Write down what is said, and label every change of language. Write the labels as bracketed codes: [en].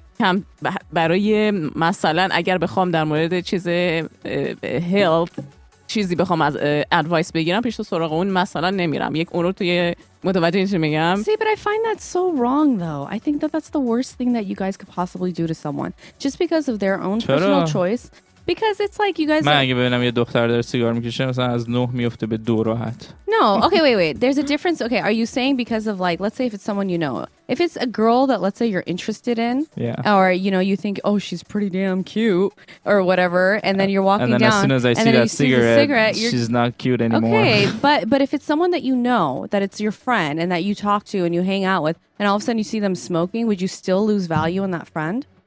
[fa] کم برای مثلا اگر بخوام در مورد چیز هیلت چیزی بخوام از ادوایس بگیرم پیش تو سراغ اون مثلا نمیرم یک اون رو توی متوجه اینش میگم. [en] See, but I find that so wrong though. I think that that's the worst thing that you guys could possibly do to someone just because of their own [fa] چرا? [en] personal choice. Because it's like you guys [fa] من اگه ببینم یه دختر داره سیگار میکشه مثلا از 9 میفته به 2 راحت. [en] No, okay, wait. There's a difference. Okay, are you saying because of like let's say if it's someone you know. If it's a girl that let's say you're interested in yeah. or you know you think oh she's pretty damn cute or whatever and then you're walking and then down as soon as I see that cigarette she's not cute anymore. Okay, but if it's someone that you know that it's your friend and that you talk to and you hang out with and all of a sudden you see them smoking, would you still lose value in that friend?